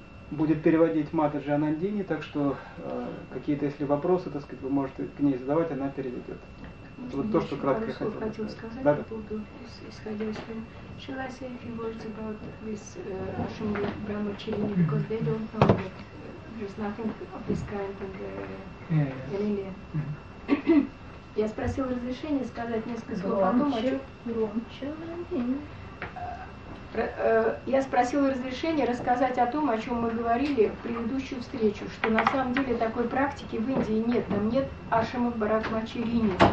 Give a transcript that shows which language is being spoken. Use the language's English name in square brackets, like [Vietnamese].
[Russian] Будет переводить Матаджи Анандини, так что какие-то, если вопросы, так сказать, вы можете к ней задавать, она переведет. Вот то, что кратко я хотел сказать. Да? По поводу исходящего. [English] Shall I say a few words about this Ashwini Brahmacharini, because they don't know that there's nothing of this kind in India. [Russian] Я спросил разрешение сказать несколько слов о том, о чем... Громче. Я спросила разрешения рассказать о том, о чем мы говорили в предыдущую встречу, что на самом деле такой практики в Индии нет, там нет Ашрама Брахмачарини.